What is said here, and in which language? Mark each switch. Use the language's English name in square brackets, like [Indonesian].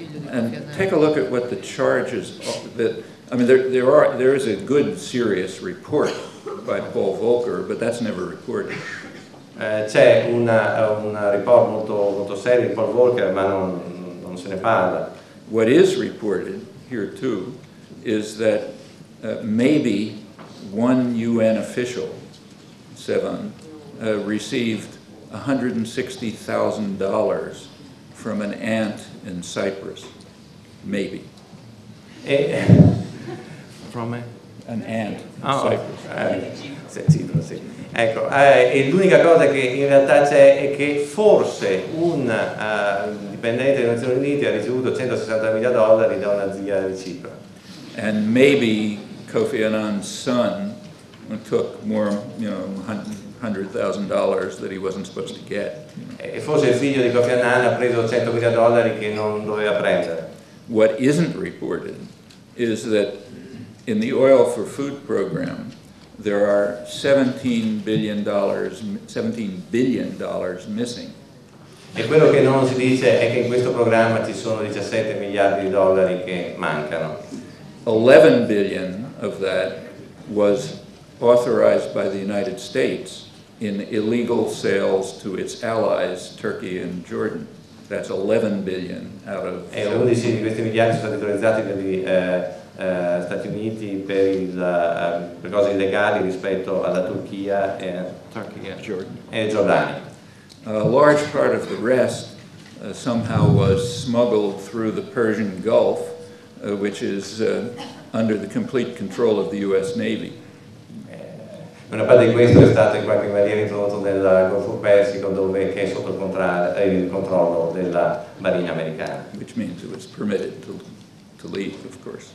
[English] And take a look at what the charges that I mean there is a good serious report by Paul Volcker, but that's never reported. [Italian] C'è un report molto molto serio di Paul Volcker, ma non se ne parla. [English] What is reported here too is that maybe one UN official, Sevan, received $160,000 from an aunt in Cyprus, maybe. From a? An aunt in Cyprus. [Italian] Sì. Ecco, e l'unica cosa che in realtà c'è è che forse un dipendente delle Nazioni Unite ha ricevuto $160,000 da una zia di Cipro. [English] And maybe Kofi Annan's son took more, $100,000 that he wasn't supposed to get. [Italian] E forse il figlio di Kofi Annan ha preso $100,000 che non doveva prendere. [English] What isn't reported is that in the Oil for Food program there are $17 billion missing. [Italian] E quello che non si dice è che in questo programma ci sono 17 miliardi di dollari che mancano. [English] 11 billion of that was authorized by the United States in illegal sales to its allies, Turkey and Jordan. That's 11 billion out of... [Italian] E 11 di questi miliardi sono stati autorizzati dagli Stati Uniti per cose illegali rispetto alla Turchia e... [English] Turkey [Italian] e [English] Jordan. [Italian] E Giordania. [English] A large part of the rest somehow was smuggled through the Persian Gulf, which is under the complete control of the U.S. Navy. [Italian] Una parte di questo è stato in qualche maniera introdotto nel Golfo Persico, dove è sotto il controllo della Marina americana. [English] Which means it was permitted to leave, of course.